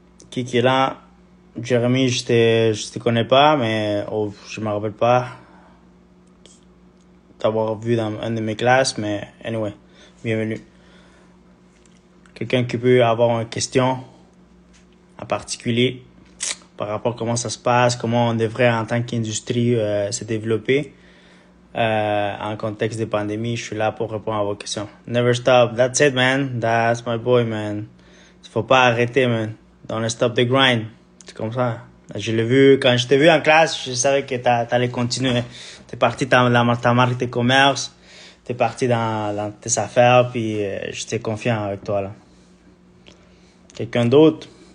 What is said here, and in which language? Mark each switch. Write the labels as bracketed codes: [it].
[fr] Qui est là? Jérémy, je te connais pas, mais oh, je me rappelle pas t'avoir vu dans une de mes classes, mais anyway, bienvenue. Quelqu'un qui peut avoir une question en particulier par rapport à comment ça se passe, comment on devrait en tant qu'industrie se développer en contexte de pandémie, je suis là pour répondre à vos questions. [en] Never stop, that's it man, that's my boy man. [fr] Faut pas arrêter man, [en] don't stop the grind. [fr] C'est comme ça. Je l'ai vu, quand je t'ai vu en classe, je savais que t'allais continuer. T'es parti dans ta marque de commerce, t'es parti dans tes affaires, puis j'étais confiant avec toi là. Quelqu'un d'autre?